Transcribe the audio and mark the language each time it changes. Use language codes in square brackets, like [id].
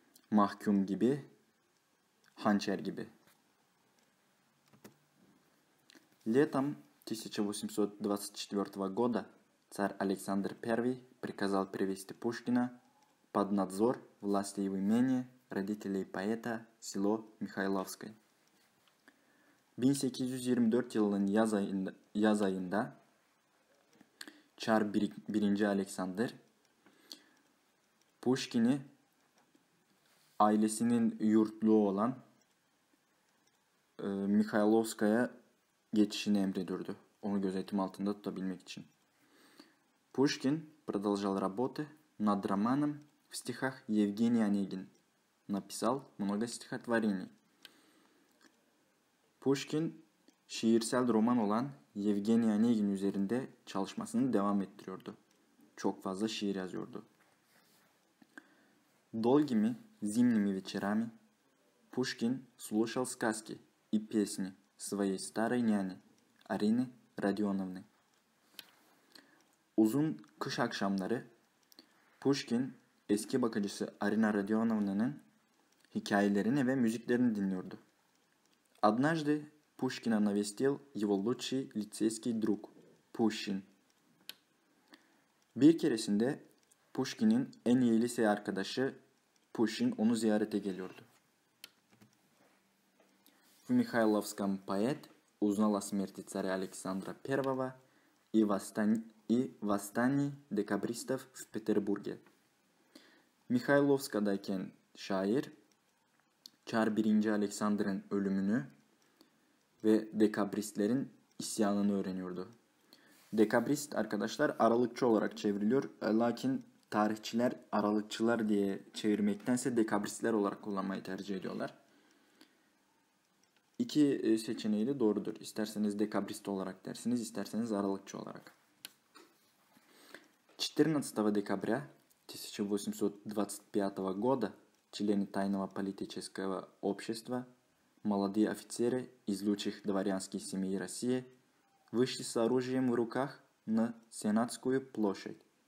[tr] Mahkum gibi, hançer gibi. [ru] Летом 1824 года царь Александр I приказал перевести Пушкина под надзор власти в имение родителей поэта село Михайловское. [tr] 1824 yılının yaz ayında Çar 1. Alexander Pushkin'i ailesinin yurtluğu olan Mikhailovskaya geçişini emredirdi. Onu gözetim altında tutabilmek için. [ru] Pushkin продолжал работы над романом в стихах Евгений Онегин. Написал много стихотворений. [tr] Pushkin şiirsel roman olan Yevgeni Onegin üzerinde çalışmasını devam ettiriyordu. Çok fazla şiir yazıyordu. [ru] Долгими зимними вечерами Pushkin слушал сказки и песни своей старой няни Арины Родионовны. [tr] Uzun kış akşamları Pushkin eski bakıcısı Арина Родионовна'nın hikayelerini ve müziklerini dinliyordu. [ru] Однажды Пушкина навестил его лучший лицейский друг Пушкин. [tr] Bir keresinde Pushkin'in en iyi lise arkadaşı Pushkin onu ziyarete geliyordu. [ru] В Михайловском поэт узнал о смерти царя Александра I и восстании декабристов в Петербурге. [tr] Михайловскадайкен şair Çar 1. Alexander'ın ölümünü ve dekabristlerin isyanını öğreniyordu. Dekabrist arkadaşlar aralıkçı olarak çevriliyor. Lakin tarihçiler aralıkçılar diye çevirmektense dekabristler olarak kullanmayı tercih ediyorlar. İki seçeneği de doğrudur. İsterseniz dekabrist olarak dersiniz, isterseniz aralıkçı olarak. [ru] 14 декабря 1825 года члены тайного политического общества молодые офицеры из лучших дворянских семей России вышли с оружием в руках на Сенатскую площадь.